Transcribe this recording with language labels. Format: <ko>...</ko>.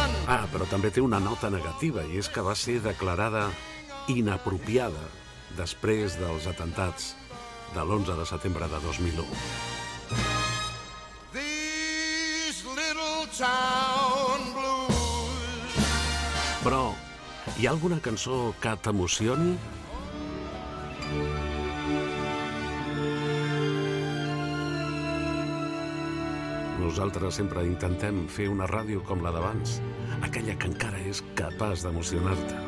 <ca>Ah, però també té una nota negativa, i és que va ser declarada inapropiada després dels atemptats de l'11 de setembre de 2001.</ca> <en>These little town blues.</en> <ca>Però hi ha alguna cançó que t'emocioni? Nosaltres sempre intentem fer una ràdio com la d'abans, aquella que encara és capaç d'emocionar-te.</ca>